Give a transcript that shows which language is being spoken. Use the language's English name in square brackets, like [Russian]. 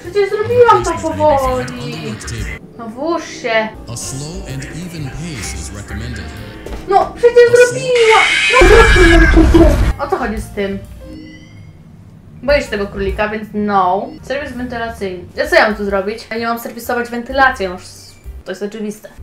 [Polish] Przecież zrobiłam to powoli! No włóż się! [English] A slow and even pace is recommended. [Polish] No, przecież zrobiłam! No, o co chodzi z tym? Boję się tego królika, więc no. Serwis wentylacyjny. Ja co ja mam tu zrobić? Ja nie mam serwisować wentylacją, już to jest oczywiste.